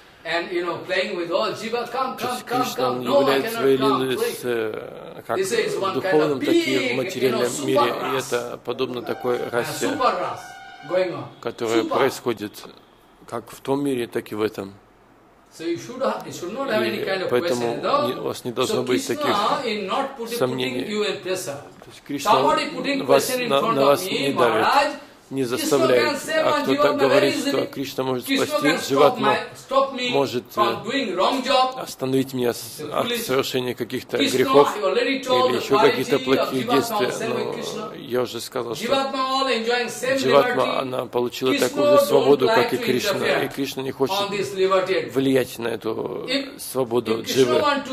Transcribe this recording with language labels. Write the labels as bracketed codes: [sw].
[ru] То есть Кришна являет свои лилы как в духовном, так и в материальном мире. И это подобно такой расе, которая происходит как в том мире, так и в этом. [en] So you should not have any kind of question, though. So Krishna, in not putting you in pressure, somebody putting pressure in front of me, Maharaj, [ru] не заставляет, а кто-то говорит, что Кришна может спасти Дживатму, может остановить меня от совершения каких-то грехов или еще каких-то плохих действий. Но я уже сказал, что Дживатма, она получила такую же свободу, как и Кришна, и Кришна не хочет влиять на эту свободу Дживы.